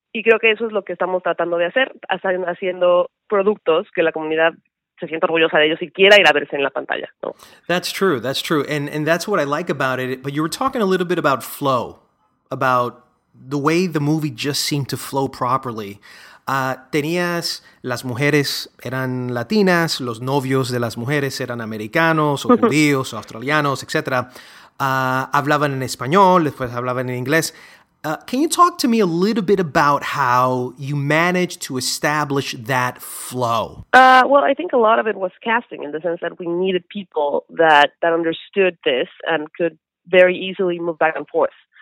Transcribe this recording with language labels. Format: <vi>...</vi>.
<es>Y creo que eso es lo que estamos tratando de hacer, haciendo productos que la comunidad se sienta orgullosa de ellos y quiera ir a verse en la pantalla, ¿no?</es> <en>That's true. And that's what I like about it. But you were talking a little bit about flow, about the way the movie just seemed to flow properly.</en> <es>Tenías las mujeres eran latinas, los novios de las mujeres eran americanos o judíos o australianos, etc. Hablaban en español, después hablaban en inglés.</es> <en>Can you talk to me a little bit about how you managed to establish that flow? Well, I think a lot of it was casting, in the sense that we needed people that understood this and could very easily move back and forth.</en>